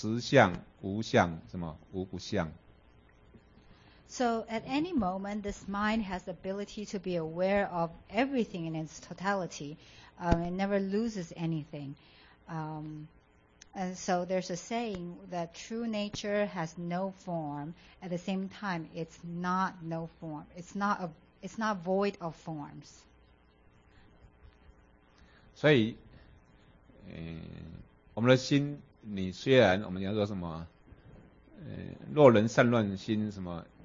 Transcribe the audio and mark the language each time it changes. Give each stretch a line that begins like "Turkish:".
Chinese: 好，那你在任何时间点，你看这个看那一个，你都是整体的觉照。可是任何时间点，你看，不管看什么的时候，你这个心的本质什么都不是，叫无相。可是他去感知的时候，什么东西都出来了，叫做实相、无相，什么无不相。
English: So at any moment, this mind has the ability to be aware of everything in its totality. It never loses anything. And so there's a saying that true nature has no form. At the same time, it's not no form. It's not void of forms.
Chinese: 所以，我们的心，你虽然我们讲说什么，若人散乱心什么。